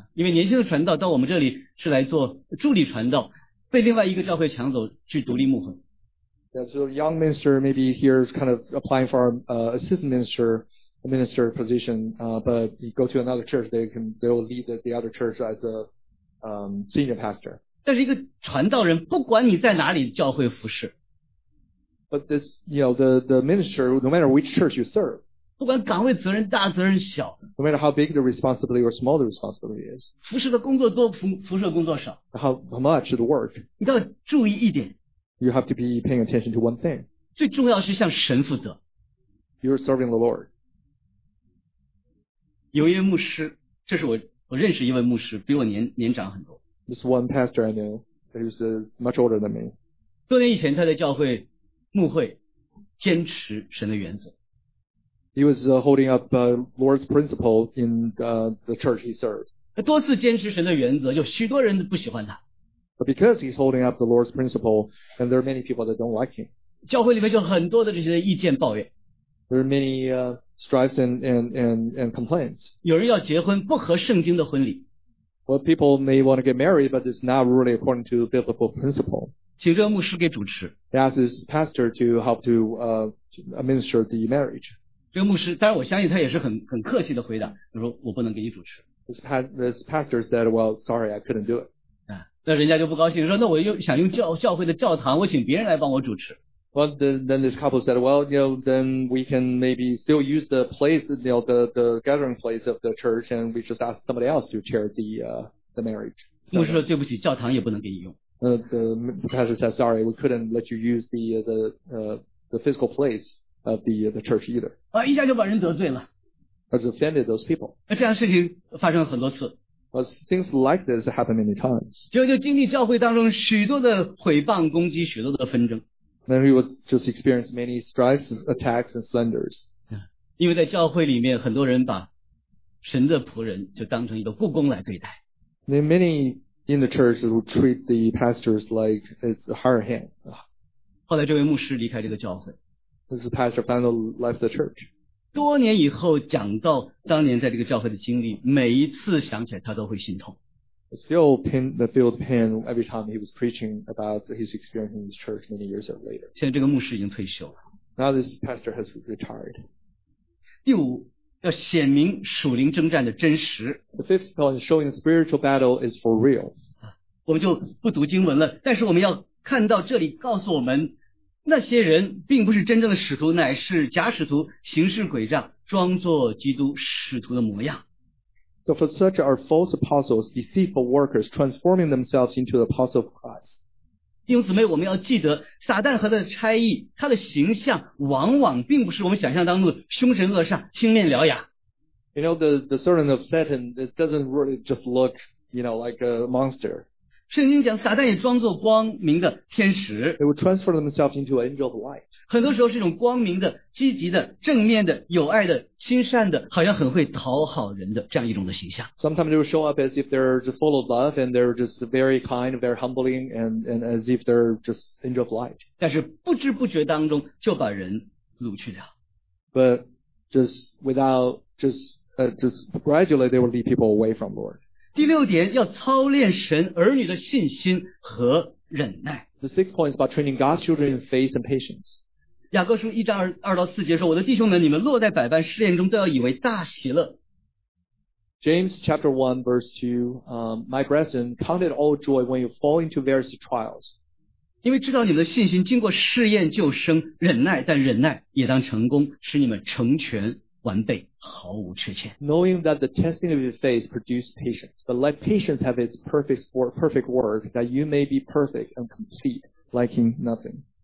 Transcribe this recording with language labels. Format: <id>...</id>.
<zh>因为年轻的传道到我们这里是来做助理传道，被另外一个教会抢走去独立牧会。</zh> <en>Yeah, so young minister maybe here is kind of applying for assistant minister position, but you go to another church, they will lead the other church as a senior pastor.</en> <zh>但是一个传道人不管你在哪里教会服侍。</zh> <en>But this, the minister, no matter which church you serve,</en> <zh>不管岗位责任大责任小</zh> <en>no matter how big the responsibility or small the responsibility is,</en> <zh>服侍的工作多服侍的工作少</zh> <en>how much the work,</en> <zh>你都要注意一点。</zh> <en>You have to be paying attention to one thing.</en> <zh>最重要是向神负责。</zh> <en>You're serving the Lord.</en> <zh>有一位牧师，这是我认识一位牧师，比我年长很多。</zh> <en>This one pastor I know, who's much older than me.</en> <zh>多年以前，他在教会牧会坚持神的原则。</zh> <en>He was holding up Lord's principle in the church he served.</en> <zh>他多次坚持神的原则，有许多人不喜欢他。</zh> <en>But because he's holding up the Lord's principle, and there are many people that don't like him.</en> <zh>教会里面就很多的这些意见抱怨。</zh> <en>There are many strifes and complaints.</en> <zh>有人要结婚，不合圣经的婚礼。</zh> <en>Well, people may want to get married, but it's not really according to biblical principle.</en> <zh>请这个牧师给主持。</zh> <en>He asks his pastor to help to administer the marriage.</en> <zh>这个牧师，当然我相信他也是很客气的回答，他说我不能给你主持。</zh> <en>This pastor said, well, sorry, I couldn't do it.</en> <zh>那人家就不高兴，说那我又想用 教会的教堂，我请别人来帮我主持。</zh> <en>Well, then this couple said, well, you know, then we can maybe still use the place, you know, the gathering place of the church, and we just ask somebody else to chair the marriage.</en> <zh>牧师说对不起，教堂也不能给你用。</zh> <en>The pastor said, sorry, we couldn't let you use the physical place of the church either.</en> <zh>啊，一下就把人得罪了。</zh> <en>Has offended those people.</en> <zh>那这样事情发生了很多次。</zh> <en>But things like this happen many times.</en> <zh>就经历教会当中许多的毁谤攻击，许多的纷争。</zh> <en>Then he would just experience many strifes, attacks, and slanders.</en> <zh>因为在教会里面，很多人把神的仆人就当成一个雇工来对待。</zh> <en>Then many in the church would treat the pastors like it's a hired hand.</en> <zh>后来这位牧师离开这个教会。</zh> <en>This pastor finally left the church.</en> <zh>多年以后讲到当年在这个教会的经历，每一次想起来他都会心痛。</zh> <en>Still feel the pain every time he was preaching about his experience in his church many years later.</en> <zh>现在这个牧师已经退休了。</zh> <en>Now this pastor has retired.</en> <zh>第五，要显明属灵征战的真实。</zh> <en>The fifth point is showing spiritual battle is for real.</en> <zh>我们就不读经文了，但是我们要看到这里告诉我们那些人并不是真正的使徒，乃是假使徒，行事诡诈，装作基督使徒的模样。</zh> <en>So for such are false apostles, deceitful workers, transforming themselves into the apostle of Christ.</en> <zh>弟兄姊妹，我们要记得，撒旦和他的差役，他的形象往往并不是我们想象当中的凶神恶煞、青面獠牙。</zh> <en>You know, the servant of Satan, it doesn't really just look, you know, like a monster.</en> <zh>圣经讲撒旦也装作光明的天使。</zh> <en>They would transfer themselves into an angel of light.</en> <zh>很多时候是一种光明的、积极的、正面的、有爱的、亲善的，好像很会讨好人的这样一种的形象。</zh> <en>Sometimes they would show up as if they're just full of love and they're just very kind, very humbling, and as if they're just angel of light.</en> <zh>但是不知不觉当中就把人掳去了。</zh> <en>But just gradually they would lead people away from Lord.</en> <zh>第六点，要操练神儿女的信心和忍耐。</zh> <en>The sixth point is about training God's children in faith and patience.</en> <zh>雅各书一章二到四节说，我的弟兄们，你们落在百般试炼中都要以为大喜乐。</zh> <en>James chapter 1 verse 2, my brethren, count it all joy when you fall into various trials.</en> <zh>因为知道你们的信心经过试验就生忍耐，但忍耐也当成功，使你们成全。完备，毫无缺欠。</zh> <en>Knowing that the testing of your faith produces patience, but let patience have its perfect work, that you may be perfect and complete, lacking nothing.</en>